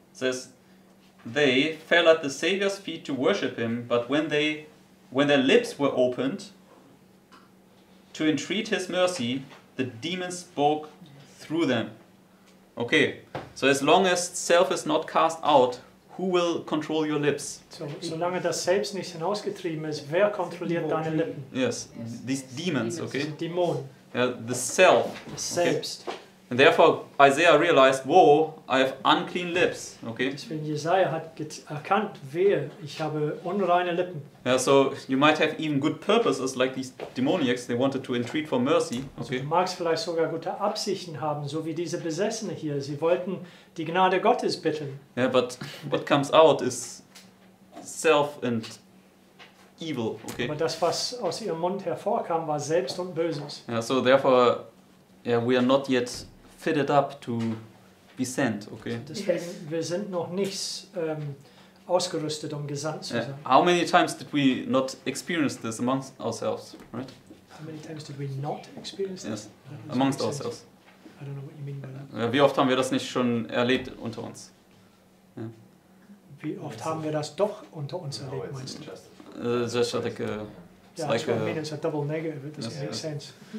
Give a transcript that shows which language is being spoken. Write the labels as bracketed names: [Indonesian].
[English] Says, they fell at the Savior's feet to worship him, but when their lips were opened to entreat his mercy, the demons spoke through them. Okay, so as long as self is not cast out, who will control your lips? [German] So, solange das Selbst nicht hinausgetrieben ist, wer kontrolliert deine Lippen? [English] Yes, these demons, okay? [German] Dämon. [English] Yeah, the self. The Selbst. Okay? And therefore Isaiah realized, whoa, I have unclean lips, okay? [German] Deswegen Jesaja hat erkannt, wehe, ich habe unreine Lippen. [English] Yeah, so you might have even good purposes, like these demoniacs, they wanted to entreat for mercy. Okay. [German] Also, du magst vielleicht sogar gute Absichten haben, so wie diese Besessene hier. Sie wollten die Gnade Gottes bitten. [English] Yeah, but what comes out is self and evil, okay? [German] Aber das, was aus ihrem Mund hervorkam, war Selbst und Böses. [English] Yeah, so therefore, yeah, we are not yet fitted up to be sent, okay? [German] Deswegen, wir sind noch nicht ausgerüstet, um gesandt zu sein. [English] How many times did we not experience this amongst ourselves, right? How many times did we not experience this? Yes, amongst ourselves. I don't know what you mean by that. [German] Wie oft haben wir das nicht schon erlebt unter uns? [English] Yeah. [German] Wie oft haben wir das doch unter uns erlebt, meinst du? [English] It's just like a... It's a double negative, it doesn't make sense.